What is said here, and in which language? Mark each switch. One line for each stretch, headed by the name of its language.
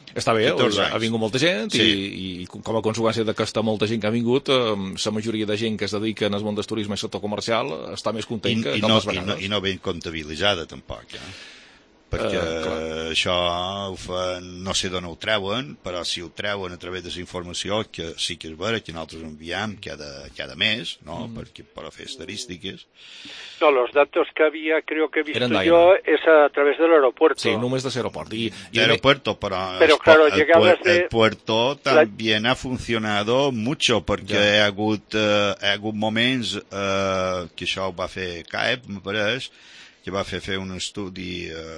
Catalan: Està bé, ha vingut molta gent, sí. I com a conseqüència d'aquesta molta gent que ha vingut, la majoria de gent que es dedica en el món del turisme i sector comercial està més content que no, les vegades. I no ben comptabilitzada, tampoc, perquè això ho fa, no sé d'on ho treuen, però si ho treuen a través de la informació, que sí que és vera, que nosaltres enviem cada mes, no? per a fer estadístiques.
Spanish: No, los datos que había, creo que he visto yo, es a través de l'aeroport.
Catalan: Sí, només de l'aeroport. L'aeroport, però
Spanish: claro, el puerto també ha funcionado mucho,
Catalan: perquè ja. hi ha hagut moments que això ho va fer CAEP, me pareix, que va fer un estudi